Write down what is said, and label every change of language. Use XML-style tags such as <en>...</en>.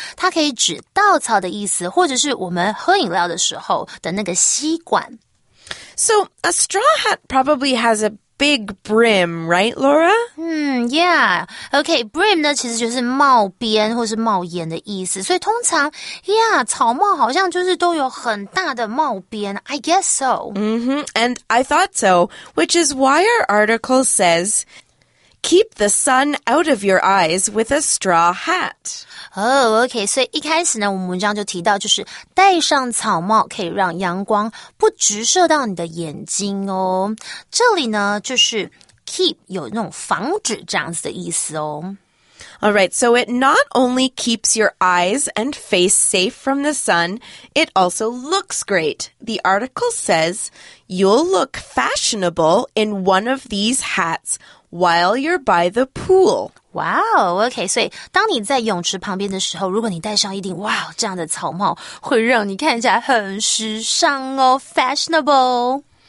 <zh>它可以指稻草的意思或者是我们喝饮料的时候的那个吸管。</zh> <en>So, a straw hat probably has a big brim, right, Laura?</en> <zh>Yeah. Okay, brim 呢其实就是帽边或是帽檐的意思。所以通常 ,yeah, 草帽好像就是都有很大的帽边。</zh> <en>I guess so. And I thought so, which is why our article says, keep the sun out of your eyes with a straw hat. Oh, okay.</en> <zh>所以一开始呢我们文章就提到就是戴上草帽可以让阳光不直射到你的眼睛哦。这里呢就是 keep 有那种防止这样子的意思哦。</zh> <en>Alright, so it not only keeps your eyes and face safe from the sun, it also looks great. The article says, you'll look fashionable in one of these hats while you're by the pool.</en> <zh>Wow, okay, 所以当你在泳池旁边的时候，如果你戴上一顶哇这样的草帽，会让你看起来很时尚哦 ,fashionable.</zh>